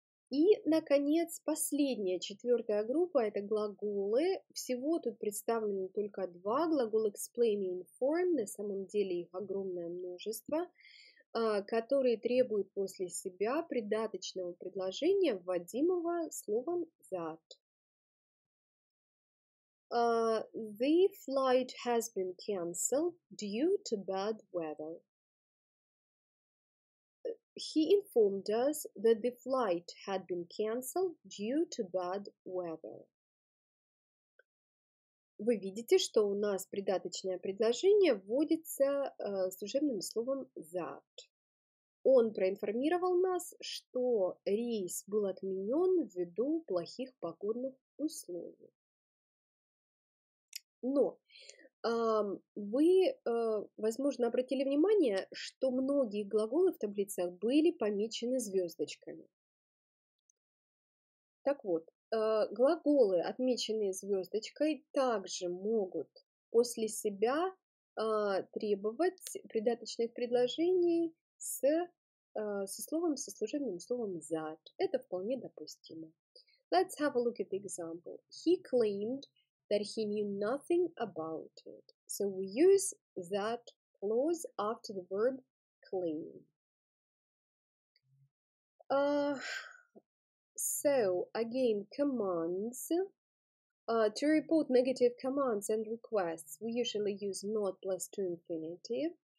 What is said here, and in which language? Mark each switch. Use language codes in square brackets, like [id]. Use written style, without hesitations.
[ru] И, наконец, последняя, четвертая группа – это глаголы. Всего тут представлены только два глагола explain и inform, на самом деле их огромное множество, которые требуют после себя придаточного предложения, вводимого словом that. [en] The flight has been cancelled due to bad weather. He informed us that the flight had been cancelled due to bad weather. [ru] Вы видите, что у нас придаточное предложение вводится служебным словом that. Он проинформировал нас, что рейс был отменен ввиду плохих погодных условий. Но вы, возможно, обратили внимание, что многие глаголы в таблицах были помечены звездочками. Так вот, глаголы, отмеченные звездочкой, также могут после себя требовать придаточных предложений со словом, со служебным словом that. Это вполне допустимо. [en] Let's have a look at the example. He claimed that he knew nothing about it. So we use that clause after the verb claim. So again, commands. To report negative commands and requests, we usually use not plus to infinitive.